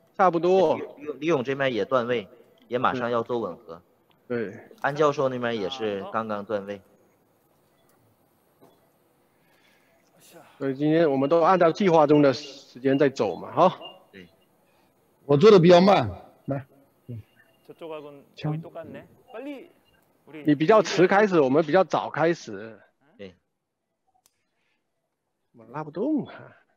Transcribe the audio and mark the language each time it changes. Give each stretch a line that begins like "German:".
Chinese: 差不多。李勇这边也断位，也马上要做吻合。对，安教授那边也是刚刚断位。所以今天我们都按照计划中的时间在走嘛，哈。对。我做的比较慢，来。
Korean: 저쪽하고거의똑같네빨리 우리
Chinese: 你比较迟开始，我们比较早开始。对。我拉不动啊。